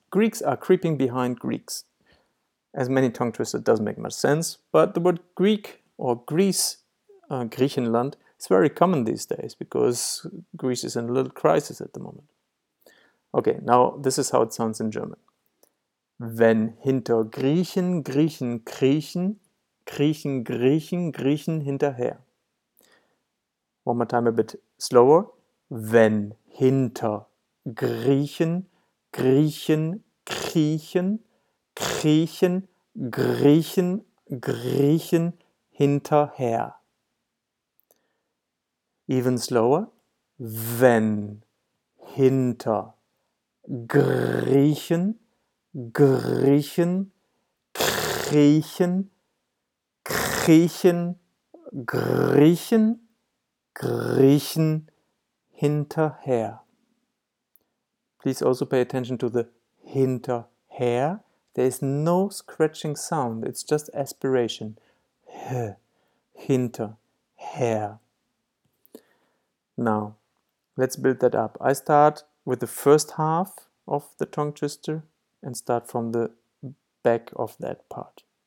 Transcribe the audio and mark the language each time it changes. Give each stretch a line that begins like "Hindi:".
English: Greeks are creeping behind Greeks. As many tongue twisters, it doesn't make much sense, but the word Greek or Greece, Griechenland, is very common these days because Greece is in a little crisis at the moment. Okay, now this is how it sounds in German.
German: Wenn hinter Griechen Griechen Kriechen, Griechen Griechen Griechen hinterher.
English: One more time, a bit slower.
German: Wenn hinter Griechen Griechen Kriechen, Griechen Griechen Griechen hinterher.
English: Even slower.
German: Wenn hinter Griechen Griechen, Kriechen, Kriechen, Griechen, Griechen hinterher.
English: Please also pay attention to the hinterher. There is no scratching sound, it's just aspiration. H, hinter, her. Now, let's build that up. I start with the first half of the tongue twister and start from the back of that part.